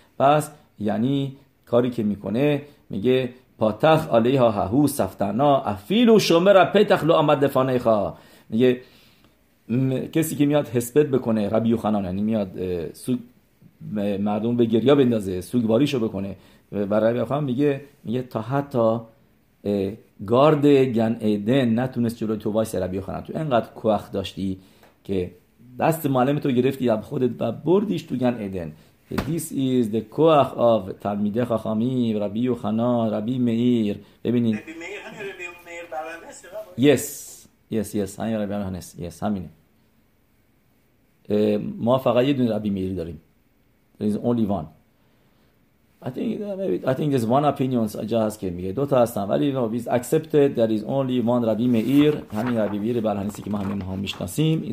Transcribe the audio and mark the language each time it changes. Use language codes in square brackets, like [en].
[fa] پس یعنی کاری که میکنه، میگه [arc] پاتخ علیها هاهو سفتنا افیلو شمر پتخ لو آمد دفانه خا، [fa] میگه کسی که میاد حسبت بکنه ربی یوحنان، یعنی میاد سوگ مردم به گریه بندازه، سوگواریشو بکنه، و ربی یوحنان میگه، میگه تا حتی گارد گن ایدن نتونست جلوی تو وایسه، ربی یوحنان تو انقدر کوخ داشتی که دست معلم تو گرفتی و خودت و بردیش تو گن ایدن. [en] This is the koach of talmidei chachamim, Rabbi Yochanan, Rabbi Meir. [fa] ببینید. [en] Rabbi Meir, Rabbi Meir, Rabbi Meir, Rabbi Meir. Yes, yes, yes. همین Rabbi Meir. [fa] Yes, همینه. ما فقط یه دونه Rabbi Meir داریم. [en] There is only one. I think there's one opinion. I just came here. [fa] دو تا هستن. [en] ولی no, it's accepted. There is only one Rabbi Meir. [fa] همین Rabbi Meir برهنسی که ما همین هم میشناسیم.